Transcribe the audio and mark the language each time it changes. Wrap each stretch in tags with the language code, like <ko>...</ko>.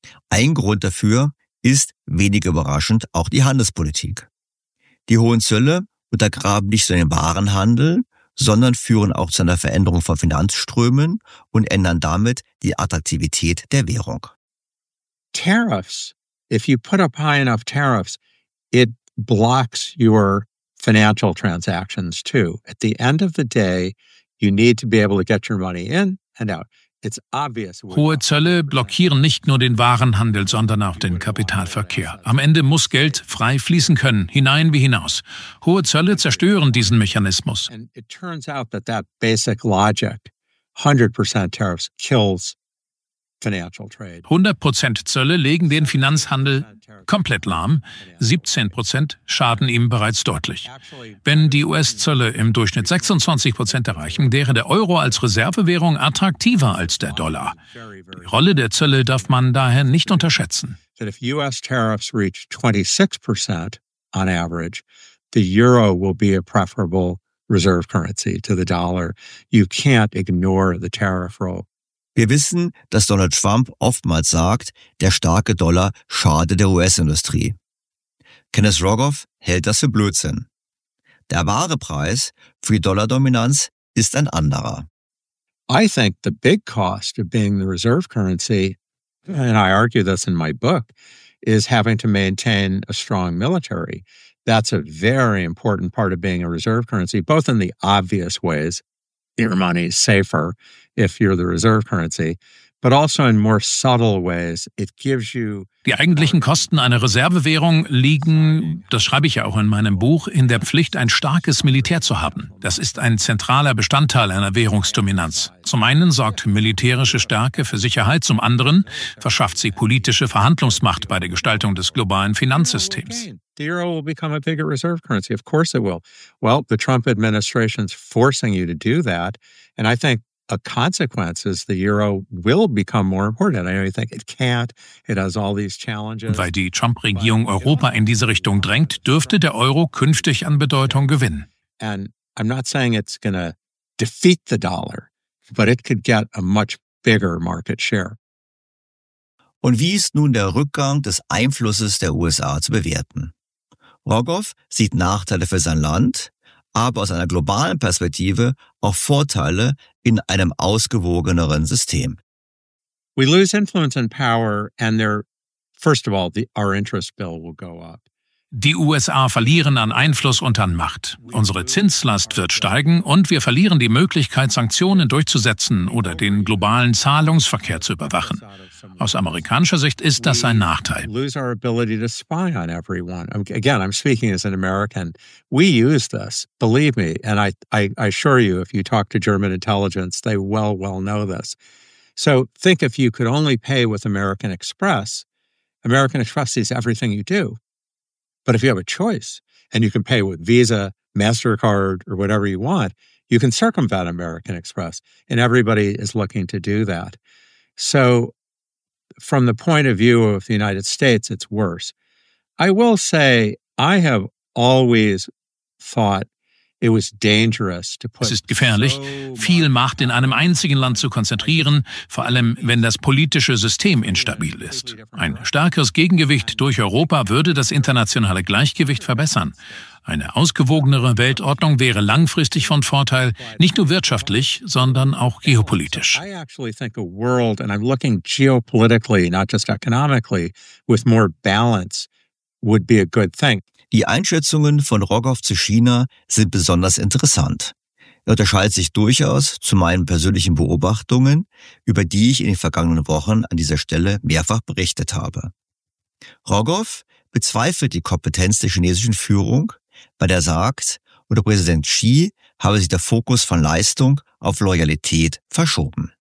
<de>Ein Grund dafür ist, wenig überraschend, auch die Handelspolitik. Die hohen Zölle untergraben nicht nur den Warenhandel, sondern führen auch zu einer Veränderung von Finanzströmen und ändern damit die Attraktivität der Währung.</de> <en>Tariffs, if you put up high enough tariffs, it blocks your financial transactions too. At the end of the day, you need to be able to get your money in and out.</en> <de>Hohe Zölle blockieren nicht nur den Warenhandel, sondern auch den Kapitalverkehr. Am Ende muss Geld frei fließen können, hinein wie hinaus. Hohe Zölle zerstören diesen Mechanismus.</de> <en>And it turns out that that basic logic, 100% tariffs kills</en> <de>100% Zölle legen den Finanzhandel komplett lahm, 17% schaden ihm bereits deutlich. Wenn die US-Zölle im Durchschnitt 26% erreichen, wäre der Euro als Reservewährung attraktiver als der Dollar. Die Rolle der Zölle darf man daher nicht unterschätzen. Wenn die</de> <en>US-Tariffs 26% on average, the Euro will be a preferable reserve currency to the dollar. You can't ignore the tariff role.</en> <de>Wir wissen, dass Donald Trump oftmals sagt, der starke Dollar schade der US-Industrie. Kenneth Rogoff hält das für Blödsinn. Der wahre Preis für die Dollardominanz ist ein anderer.</de> <en>I think the big cost of being the reserve currency, and I argue this in my book, is having to maintain a strong military. That's a very important part of being a reserve currency, both in the obvious ways your money is safer if you're the reserve currency, but also in more subtle ways it gives you.</en> <de>Die eigentlichen Kosten einer Reservewährung liegen, das schreibe ich ja auch in meinem Buch, in der Pflicht, ein starkes Militär zu haben. Das ist ein zentraler Bestandteil einer Währungsdominanz. Zum einen sorgt militärische Stärke für Sicherheit, zum anderen verschafft sie politische Verhandlungsmacht bei der Gestaltung des globalen Finanzsystems.</de> <en>The euro will become a bigger reserve currency. Of course it will. Well, the Trump administration's forcing you to do that, and I think a consequence is the euro will become more important. I know you think it can't. It has all these challenges.</en> <de>Und weil die Trump-Regierung Europa in diese Richtung drängt, dürfte der Euro künftig an Bedeutung gewinnen.</de> <en>And I'm not saying it's going to defeat the dollar, but it could get a much bigger market share.</en> <de>Und wie ist nun der Rückgang des Einflusses der USA zu bewerten? Rogoff sieht Nachteile für sein Land, aber aus einer globalen Perspektive auch Vorteile in einem ausgewogeneren System.</de> <en>We lose influence and power and there, first of all, our interest bill will go up.</en> <de>Die USA verlieren an Einfluss und an Macht. Unsere Zinslast wird steigen und wir verlieren die Möglichkeit, Sanktionen durchzusetzen oder den globalen Zahlungsverkehr zu überwachen. Aus amerikanischer Sicht ist das ein Nachteil.</de> <en>We lose our ability to spy on everyone. Again, I'm speaking as an American. We use this, believe me. And I assure you, if you talk to German intelligence, they well know this. So think if you could only pay with American Express sees everything you do. But if you have a choice and you can pay with Visa, MasterCard or whatever you want, you can circumvent American Express. And everybody is looking to do that. So from the point of view of the United States, it's worse. I will say I have always thought it was dangerous to put</en> <de>Es ist gefährlich, viel Macht in einem einzigen Land zu konzentrieren, vor allem wenn das politische System instabil ist. Ein stärkeres Gegengewicht durch Europa würde das internationale Gleichgewicht verbessern. Eine ausgewogenere Weltordnung wäre langfristig von Vorteil, nicht nur wirtschaftlich, sondern auch geopolitisch.</de> <en>I actually think a world, and I'm looking geopolitically, not just economically, with more balance would be a good thing.</en> <de>Die Einschätzungen von Rogoff zu China sind besonders interessant. Er unterscheidet sich durchaus zu meinen persönlichen Beobachtungen, über die ich in den vergangenen Wochen an dieser Stelle mehrfach berichtet habe. Rogoff bezweifelt die Kompetenz der chinesischen Führung, weil er sagt, unter Präsident Xi habe sich der Fokus von Leistung auf Loyalität verschoben.</de>